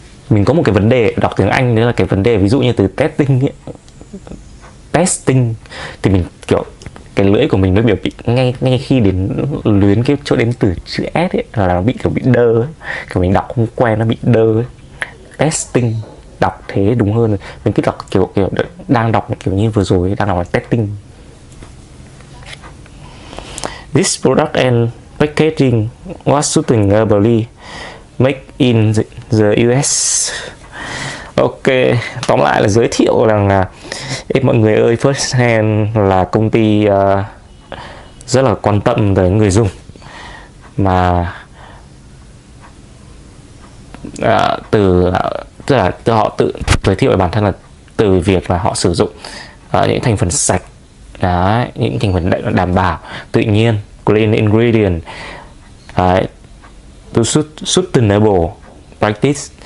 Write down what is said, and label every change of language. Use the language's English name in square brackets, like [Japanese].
[Vietnamese] Mình có một cái vấn đề đọc tiếng Anh, đấy là cái vấn đề ví dụ như từ testing thì mình kiểu cái lưỡi của mình nó biểu bị ngay khi đến luyến cái chỗ đến từ chữ S ấy, là nó bị kiểu bị đơ ấy. Kiểu mình đọc không quen nó bị đơ ấy. Testing đọc thế đúng hơn, mình cứ đọc kiểu đang đọc kiểu như vừa rồi ấy, đang đọc là testing. [English] This product and packaging was sustainably made in the US. [Vietnamese] Ok, tóm lại là giới thiệu rằng là mọi người ơi, First Hand là công ty rất là quan tâm tới người dùng. Mà từ họ tự giới thiệu về bản thân là từ việc là họ sử dụng những thành phần sạch đó, những thành phần đảm bảo tự nhiên, [English] clean ingredient, to sustainable practice.